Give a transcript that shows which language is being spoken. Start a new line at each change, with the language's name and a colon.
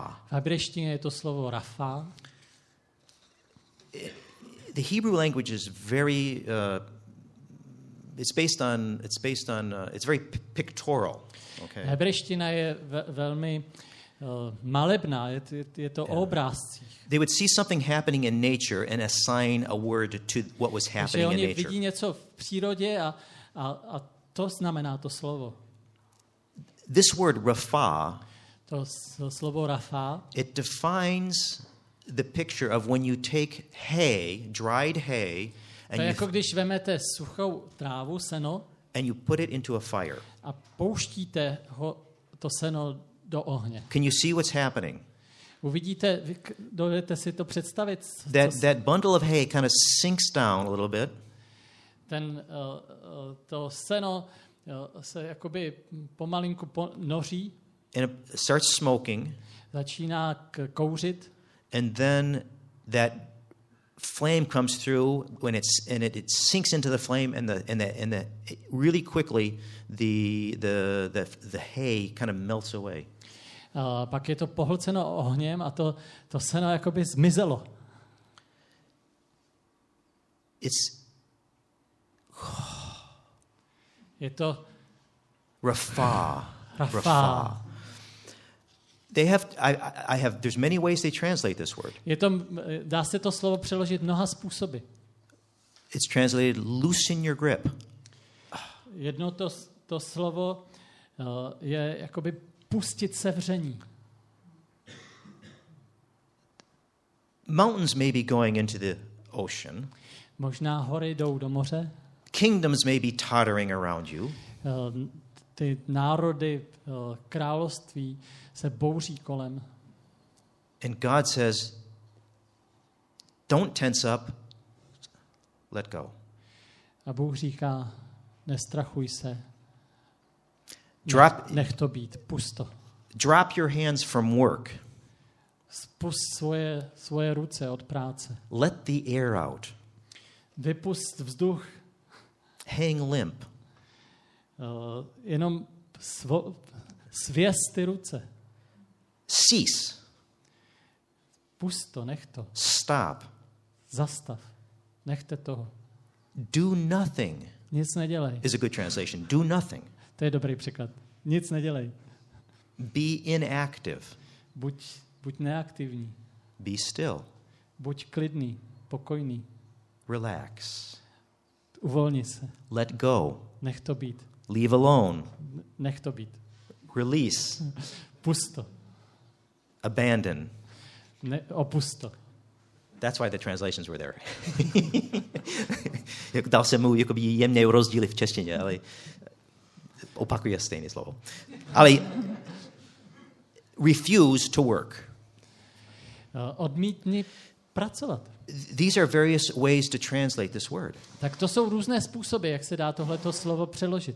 Czech: V hebrejštině je to slovo rafa.
English: The Hebrew language is very it's very pictorial. Okay.
Czech: Hebrejština je velmi malebná, je to o obrázcích.
English: They would see something happening in nature and assign a word to what was happening in nature.
Czech: Oni vidí něco v přírodě a to znamená to slovo.
English: This word rafa.
Czech: To slovo rafa.
English: It defines the picture of when you take hay, dried hay,
Czech: and to jako když vezmete suchou trávu, seno,
English: and you put it into a fire.
Czech: A pouštíte ho to seno do ohně.
English: Can you see what's happening?
Czech: Uvidíte, dovedete si to představit.
English: That bundle of hay kind of sinks down a little bit.
Czech: Ten to seno se jakoby pomalinku noří.
English: And starts smoking.
Czech: Začíná kouřit.
English: And then that flame comes through when it's and it sinks into the flame and the really quickly the hay kind of melts away.
Czech: Pak je to pohlceno ohněm a to seno jakoby zmizelo. Je to rafa.
English: They have I have there's many ways they translate this word.
Czech: Je to dá se to slovo přeložit mnoha způsoby.
English: It's translated loosen your grip.
Czech: Jedno to slovo je jakoby pustit sevření.
English: Mountains may be going into the ocean.
Czech: Možná hory jdou do moře.
English: Kingdoms may be tottering around you.
Czech: Ty národy, království se bouří kolem.
English: And God says, "Don't tense up. Let go."
Czech: A Bůh říká, nestrachuj se. Nech to být, pusto.
English: Drop your hands from work.
Czech: Spust svoje ruce od práce.
English: Let the air out.
Czech: Vypust vzduch.
English: Hang limp.
Czech: Jenom svěz ty ruce.
English: Cease.
Czech: Pusto, nech to.
English: Stop.
Czech: Zastav. Nechte toho.
English: Do nothing.
Czech: Nic nedělej.
English: Is a good translation. Do nothing.
Czech: To je dobrý příklad. Nic nedělej.
English: Be inactive.
Czech: Buď neaktivní.
English: Be still.
Czech: Buď klidný, pokojný.
English: Relax.
Czech: Uvolni se.
English: Let go.
Czech: Nech to být.
English: Leave alone.
Czech: Nech to být.
English: Release.
Czech: Pusto.
English: Abandon.
Czech: Opusto.
English: That's why the translations were there.
Czech: Dal jsem mu jakoby jemné rozdíly v češtině, ale opakuje stejné slovo. Ale
English: refuse to work.
Czech: Odmítni pracovat.
English: These are various ways to translate this word.
Czech: Tak to jsou různé způsoby, jak se dá tohleto slovo přeložit.